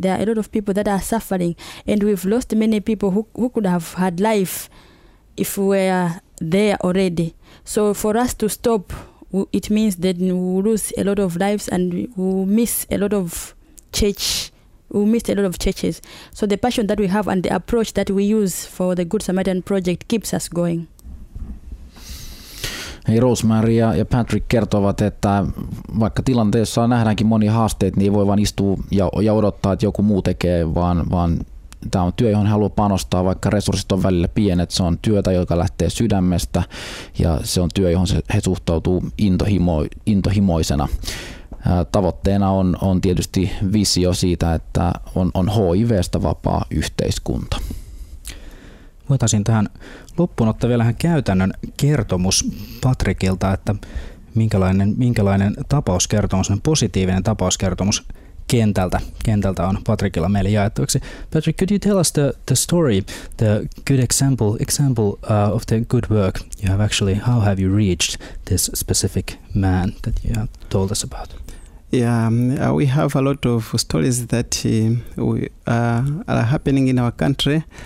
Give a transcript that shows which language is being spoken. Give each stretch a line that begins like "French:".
English: There are a lot of people that are suffering. And we've lost many people who could have had life if we were there already. So for us to stop, it means that we lose a lot of lives and we miss a lot of churches. So the passion that we have and the approach that we use for the Good Samaritan Project keeps us going.
Finnish: Hei, Rosemary ja Patrick kertovat, että vaikka tilanteessa nähdäänkin moni haasteet, niin ei voi vaan istua ja odottaa, että joku muu tekee, vaan tämä on työ, johon haluaa panostaa, vaikka resurssit on välillä pienet. Se on työtä, joka lähtee sydämestä, ja se on työ, johon he suhtautuu intohimoisena. Tavoitteena on tietysti visio siitä, että on HIV:stä vapaa yhteiskunta. Voitaisiin tähän loppuun ottaa vielä käytännön kertomus Patrikilta, että minkälainen tapauskertomus, positiivinen tapauskertomus kentältä on Patrikilla meille jaettavaksi.
English: Patrick, could you tell us the story, the good example of the good work you have actually, how have you reached this specific man that you have told us about? Yeah, we have a lot of stories that are happening in our country.